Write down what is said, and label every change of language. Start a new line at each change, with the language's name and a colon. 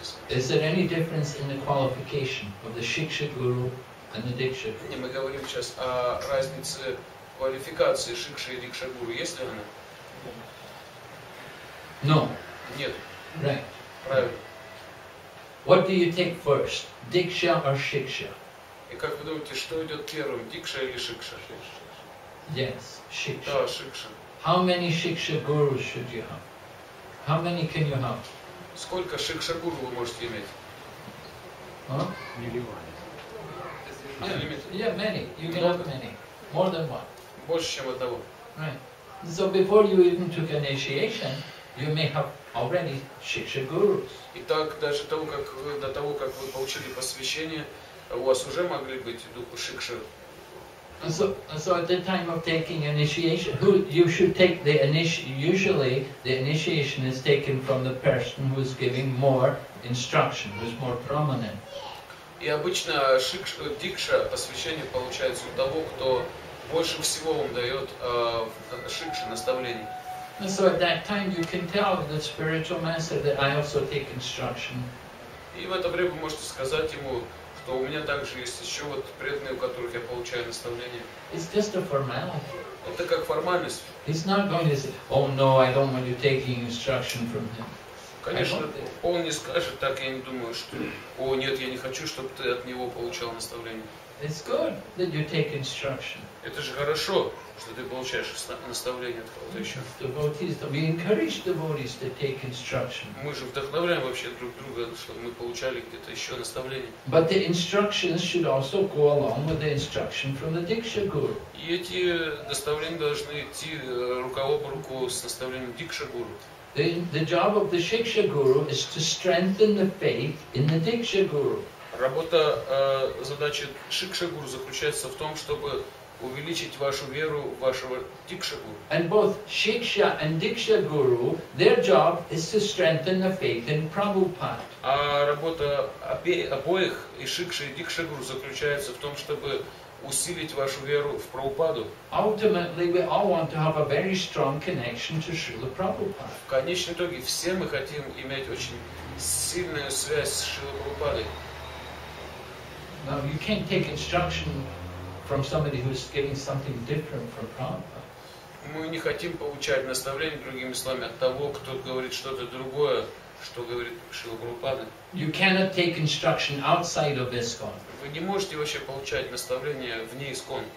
English: Is there any difference in the qualification of the Shiksha Guru and the Diksha Guru?
Russian: Не, мы говорим сейчас о разнице квалификации Шикши и Дикша Гуру. Есть ли она?
English: No.
Russian: Нет.
English: Right.
Russian: Правильно.
English: What do you take first, Diksha or Shiksha?
Russian: И как вы думаете, что идет первым, Дикша или Шикша?
English: Yes, Шикша.
Russian: Да, Шикша.
English: How many Shiksha Gurus should you have? How many can you have?
Russian: Сколько Shiksha Guru вы можете иметь? Huh? Миллион.
English: Yeah, many. You can have many. More than one.
Russian: Больше, чем одного.
English: Right. So before you even took initiation, you may have already Shiksha Gurus.
Russian: Итак, даже до того, как вы получили посвящение, у вас уже могли быть духу Shiksha.
English: So at the time of taking initiation, usually the initiation is taken from the person who is giving more instruction, who is more prominent.
Russian: И обычно дикша, посвящение получается у того, кто больше всего вам дает шикши, наставлений.
English: And so at that time you can tell the spiritual master that I also take instruction.
Russian: И в это время вы можете сказать ему, то у меня также есть еще вот преданные, у которых я получаю наставления.
English: It's just a formality.
Russian: Это как формальность.
English: He's not going to say, oh no, I don't want you taking instruction from him.
Russian: Конечно, он не скажет так, я не думаю, что, о нет, я не хочу, чтобы ты от него получал наставление.
English: It's good that you take instruction.
Russian: Это же хорошо, что ты получаешь наставление от кого-то еще.
English: Devotees, we encourage devotees to take instruction.
Russian: Мы же вдохновляем вообще друг друга, чтобы мы получали где-то еще наставление.
English: But the instructions should also go along with the instruction from the Diksha Guru.
Russian: И эти наставления должны идти рука об руку с наставлением Дикша Гуру.
English: The job of the Shiksha Guru is to strengthen the faith in the Diksha Guru.
Russian: Работа, задача Шикша Гуру заключается в том, чтобы увеличить вашу веру вашего Дикша Гуру.
English: And both Shiksha and Diksha Guru, their job is to strengthen the faith in Prabhupada.
Russian: А работа обоих, и Шикша, и Дикша Гуру, заключается в том, чтобы усилить вашу веру в Прабхупаду.
English: Ultimately, we all want to have a very strong connection to Srila Prabhupada.
Russian: В конечном итоге, все мы хотим иметь очень сильную связь с Шрилой Прабхупадой.
English: Now you can't take instruction from somebody who is giving something different from Prabhupada.
Russian: Мы не хотим получать наставление другими словами от того, кто говорит что-то другое, что говорит Шрила Прабхупада.
English: You cannot take instruction outside of ISKCON.
Russian: Вы не можете вообще получать наставление вне ISKCON.